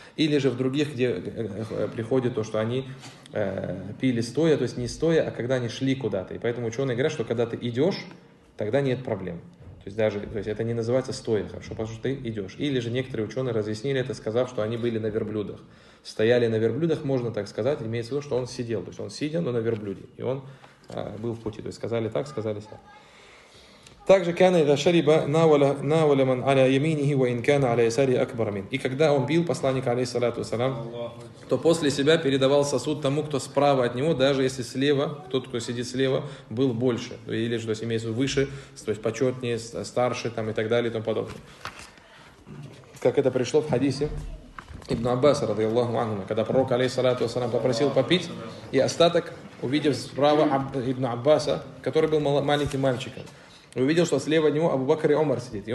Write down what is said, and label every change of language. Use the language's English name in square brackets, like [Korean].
[Russian] Или же в других, где приходит то, что они пили стоя, то есть не стоя, а когда они шли куда-то. И поэтому ученые говорят, что когда ты идешь, тогда нет проблем. То есть даже, то есть это не называется стоя, хорошо, потому что ты идешь. Или же некоторые ученые разъяснили это, сказав, что они были на верблюдах. Стояли на верблюдах, можно так сказать, имеется в виду, что он сидел. То есть он сидел, но на верблюде, и он был в пути. То есть сказали так, сказали так. Также [Arabic] كان إذا شرب ناول من على يمينه وإن كان على يساره أكبر من. [Russian] И когда он пил, посланник عليه الصلاة والسلام, то после себя передавал сосуд тому, кто справа от него, даже если слева, тот, кто сидит слева, был больше. Или, то есть, имеется выше, то есть, почетнее, старше, там, и так далее, и тому подобное. Как это пришло в хадисе Ибн Аббаса, радиаллаху анхума, когда пророк, алейхиссалату ассалам, попросил попить, и остаток, увидев справа Ибн Аббаса, который был маленьким мальчиком, увидел, что слева от него Абу Бакр и Умар сидит.